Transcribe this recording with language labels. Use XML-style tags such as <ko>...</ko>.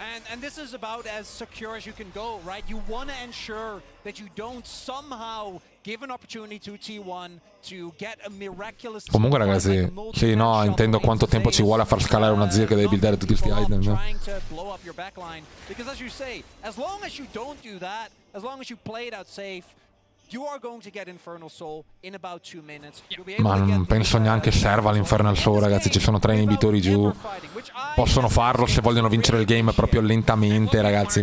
<en>And this is about as secure as you can go, right? You want to ensure that you don't somehow give an opportunity to T1 to get a miraculous.</en> <it>Comunque, ragazzi, sì, no, intendo quanto tempo ci vuole a far scalare una Zir che deve buildare tutti questi item.</it> <en>Trying to blow up your backline, because as you say, as long as you don't do that, as long as you play it out safe, you are going to get Infernal Soul in about 2 minutes.</en> <it>Ma non penso neanche serva l'Infernal Soul, ragazzi. Ci sono 3 inibitori giù. Possono farlo se vogliono vincere il game proprio lentamente, ragazzi.</it>